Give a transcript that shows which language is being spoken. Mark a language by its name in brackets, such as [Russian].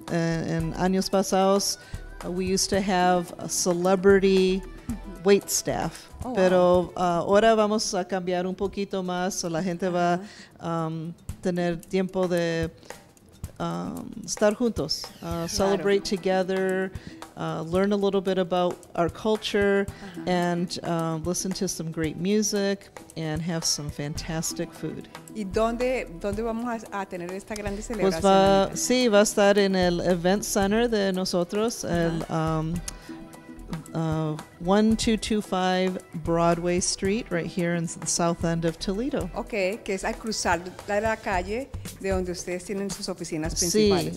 [Spanish] En años pasados, [English] we used to have a celebrity wait staff. Oh, [Spanish] pero wow. Ahora vamos a cambiar un poquito más. [English] So [Spanish] la gente va a tener tiempo de estar juntos, claro. [English] Celebrate together, learn a little bit about our culture, uh-huh. And listen to some great music and have some fantastic food. [Spanish] ¿Y dónde vamos a tener esta gran celebración? Pues va a estar en el event center de nosotros, uh-huh. [English] El 1225 Broadway Street, right here in the south end of Toledo. [Spanish] Okay, que es al cruzar la calle de donde ustedes tienen sus oficinas principales,